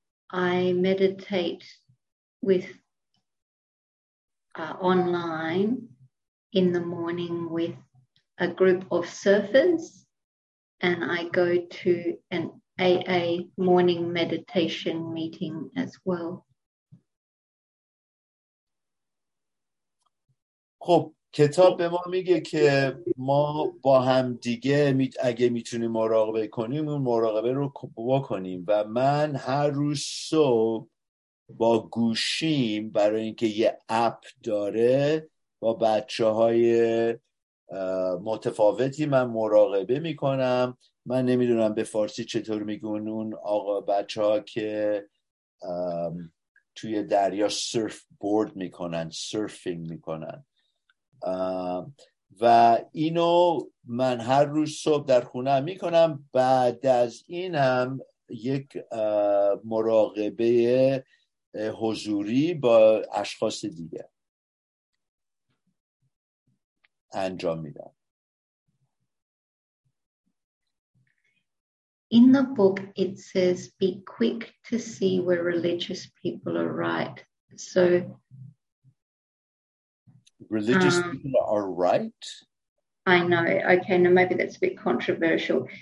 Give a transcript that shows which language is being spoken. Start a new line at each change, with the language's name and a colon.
English: I meditate with online in the morning with a group of surfers, and I go to an AA morning meditation meeting as well.
Persian: خب کتاب به ما میگه که ما با هم دیگه اگه میتونیم مراقبه کنیم اون مراقبه رو بکنیم. و من هر روز صبح با گوشیم، برای اینکه یه اپ داره، با بچه‌های متفاوتی من مراقبه میکنم. من نمیدونم به فارسی چطور میگن اون آقا بچه‌ها که توی دریا سرف بورد میکنن، سرفینگ میکنن. و اینو من هر روز صبح در خونه هم میکنم. بعد از اینم یک مراقبه حضوری با اشخاص دیگه انجام میدم.
English: In the book it says be quick to see where religious people are right. So religious people are right? I know. Okay, now maybe that's a bit controversial.